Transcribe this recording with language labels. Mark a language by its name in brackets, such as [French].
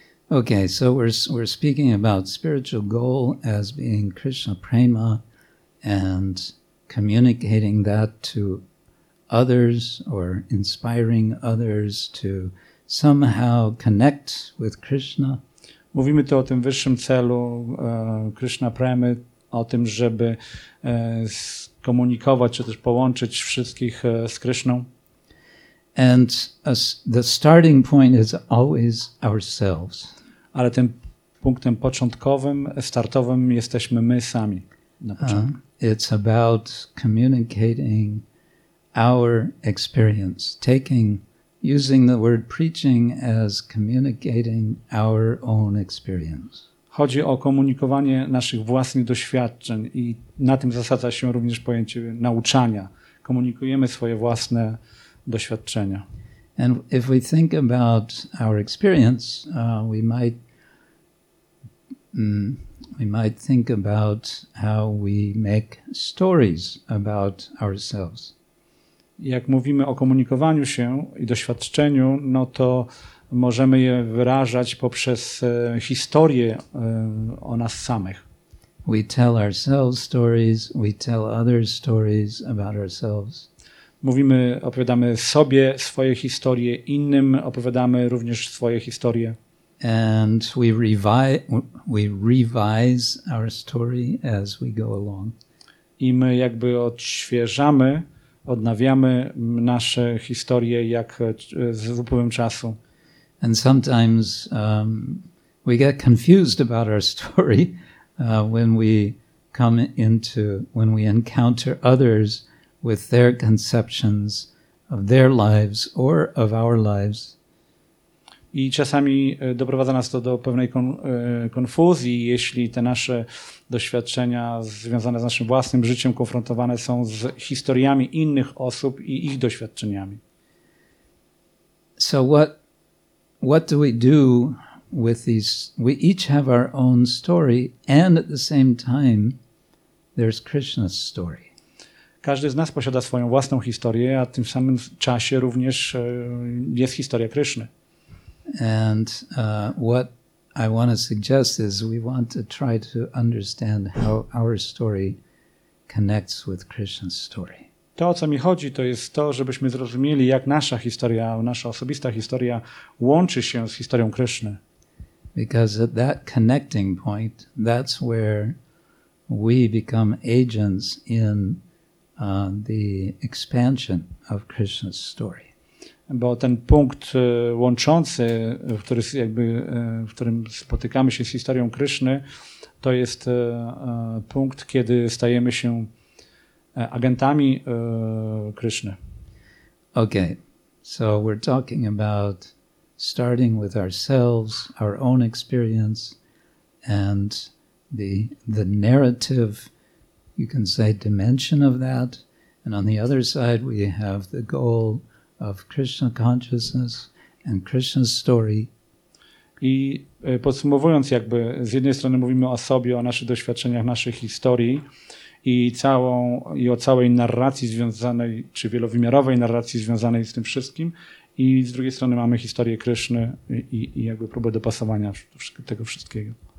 [English] Okay, so we're speaking about spiritual goal as being Krishna prema and communicating that to others or inspiring others to somehow connect with Krishna. [Polish] Mówimy tu o tym wyższym celu Krishna premy, o tym, żeby komunikować czy też połączyć wszystkich z Krishną. [English] And the starting point is always ourselves. [Polish] Ale tym punktem początkowym, startowym jesteśmy my sami. [English] It's about communicating our experience, using the word preaching as communicating our own experience. [Polish] Chodzi o komunikowanie naszych własnych doświadczeń i na tym zasadza się również pojęcie nauczania. Komunikujemy swoje własne doświadczenia. [English] And if we think about our experience, we might think about how we make stories about ourselves. [Polish] Jak mówimy o komunikowaniu się i doświadczeniu, no to możemy je wyrażać poprzez historię o nas samych. [English] We tell ourselves stories, we tell others stories about ourselves. [Polish] Mówimy, opowiadamy sobie swoje historie, innym opowiadamy również swoje historie. [English] And we revise our story as we go along. [Polish] I my jakby odświeżamy, odnawiamy nasze historie jak z upływem czasu. [English] And sometimes we get confused about our story when we encounter others with their conceptions of their lives or of our lives. [Polish] I czasami doprowadza nas to do pewnej konfuzji, jeśli te nasze doświadczenia związane z naszym własnym życiem konfrontowane są z historiami innych osób i ich doświadczeniami. [English] So what do we do with these? We each have our own story, and at the same time there's Krishna's story. [Polish] Każdy z nas posiada swoją własną historię, a w tym samym czasie również jest historia Kryszny. [English] And what I want to suggest is we want to try to understand how our story connects with Krishna's story. [Polish] To, o co mi chodzi, to jest to, żebyśmy zrozumieli, jak nasza historia, nasza osobista historia łączy się z historią Kryszny. [English] Because at that connecting point, that's where we become agents in the expansion of Krishna's story. [Polish] Bo ten punkt łączący, w którym spotykamy się z historią Kryszny, to jest punkt, kiedy stajemy się agentami Kryszny. [English] Okay, So we're talking about starting with ourselves, our own experience, and the narrative, you can say, dimension of that. And on the other side, we have the goal of Krishna consciousness and Krishna's story. [Polish] I podsumowując, jakby z jednej strony mówimy o sobie, o naszych doświadczeniach, naszej historii i o całej narracji związanej, czy wielowymiarowej narracji związanej z tym wszystkim. I z drugiej strony mamy historię Kryszny i jakby próbę dopasowania tego wszystkiego.